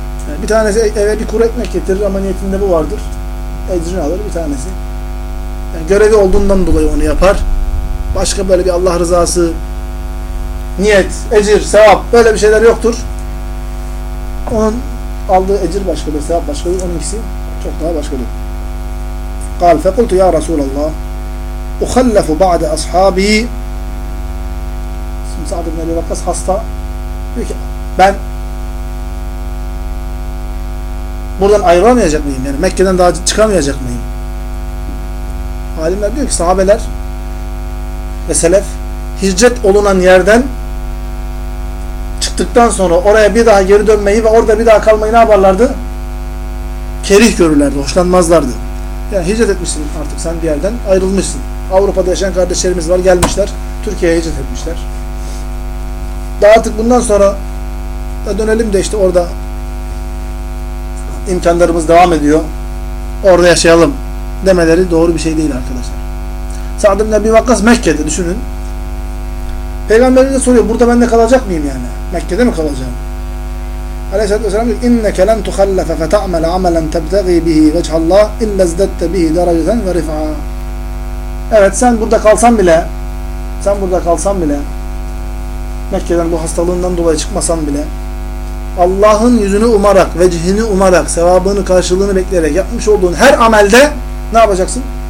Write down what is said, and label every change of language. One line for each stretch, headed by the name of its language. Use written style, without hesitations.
Turkish: Yani bir tanesi eve bir kuru ekmek getirir ama niyetinde bu vardır. Ecrini alır bir tanesi. Yani görevi olduğundan dolayı onu yapar. Başka böyle bir Allah rızası, niyet, ecir, sevap böyle bir şeyler yoktur. Onun aldığı ecir başkadır, sevap başkadır. Onunkisi çok daha başkadır.
Arabic: قال فقلت يا رسول الله أخلف بعد أصحابي.
Turkish: Şimdi Sa'd ibn Ebi Vakkas hasta. Diyor ki ben buradan ayrılamayacak mıyım? Yani Mekke'den daha çıkamayacak mıyım? Alimler diyor ki sahabeler ve selef hicret olunan yerden çıktıktan sonra oraya bir daha geri dönmeyi ve orada bir daha kalmayı ne yaparlardı? Kerih görürlerdi, hoşlanmazlardı. Yani hicret etmişsin artık, sen bir yerden ayrılmışsın. Avrupa'da yaşayan kardeşlerimiz var, gelmişler. Türkiye'ye hicret etmişler. Daha artık bundan sonra da dönelim de işte orada imkanlarımız devam ediyor. Orada yaşayalım demeleri doğru bir şey değil arkadaşlar. Sa'd ibn Ebi Vakkas Mekke'de, düşünün. Peygamberimiz de soruyor, burada ben de kalacak mıyım yani? Mekke'de mi kalacağım? Aleyhisselatü Vesselam diyor,
Arabic: اِنَّكَ لَنْ تُخَلَّفَ فَتَعْمَلَ عَمَلًا تَبْتَغِي بِهِ وَجْحَ اللّٰهِ اِلَّا زْدَدْتَ بِهِ دَرَجَةً وَرِفْعًا.
Turkish: Evet, sen burada kalsan bile, sen burada kalsan bile, Mekke'den bu hastalığından dolayı çıkmasan bile, Allah'ın yüzünü umarak, vecihini umarak, sevabını, karşılığını bekleyerek yapmış olduğun her amelde ne yapacaksın?